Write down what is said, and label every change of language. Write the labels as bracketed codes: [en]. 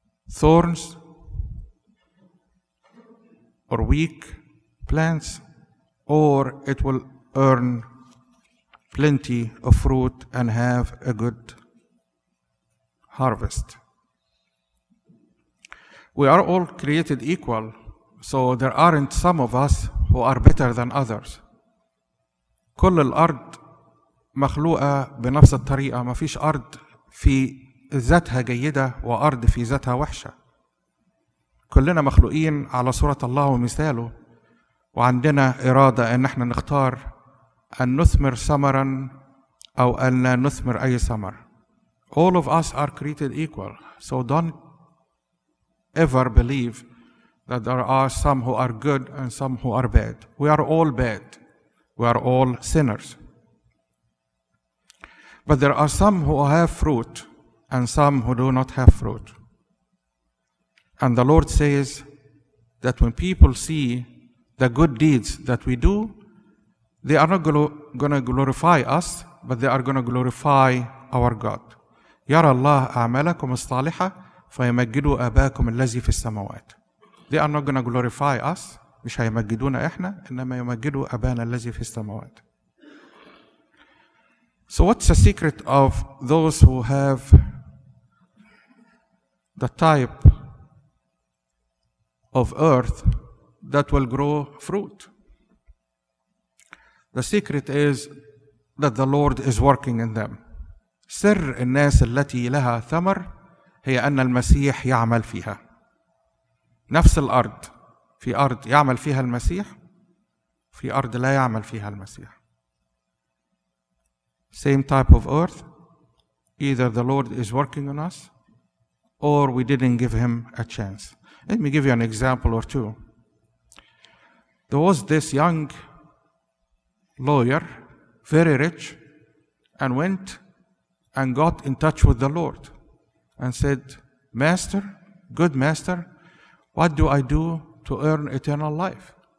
[en] thorns or weak plants, or it will earn plenty of fruit and have a good harvest. We are all created equal, so there aren't some of us who are better than others. [ar] كل الأرض مخلوقة بنفس الطريقة. ما فيش أرض في ذاتها جيدة وأرض في ذاتها وحشة. كلنا مخلوقين على صورة الله ومثاله، وعندنا إرادة إن احنا نختار أن نثمر ثمرا أو أن لا نثمر أي ثمر. [en] All of us are created equal, so don't ever believe that there are some who are good and some who are bad. We are all bad. We are all sinners. But there are some who have fruit and some who do not have fruit. And the Lord says that when people see the good deeds that we do, they are not going to glorify us, but they are going to glorify our God. [ar] يرى الله أعمالكم الصالحة فيمجدوا أباكم الذي في السماوات. [en] They are not going to glorify us. [ar] مش هيمجدونا إحنا، إنما يمجدوا أبانا الذي في السماوات. [en] So what's the secret of those who have the type of earth that will grow fruit? The secret is that the Lord is working in them. [ar] سر الناس التي لها ثمر هي أن المسيح يعمل فيها. نفس الأرض، في أرض يعمل فيها المسيح، في أرض لا يعمل فيها المسيح. [en] Same type of earth, either the Lord is working on us or we didn't give him a chance. Let me give you an example or two. There was this young lawyer, very rich, and went and got in touch with the Lord and said, Master, good Master, what do I do to earn eternal life?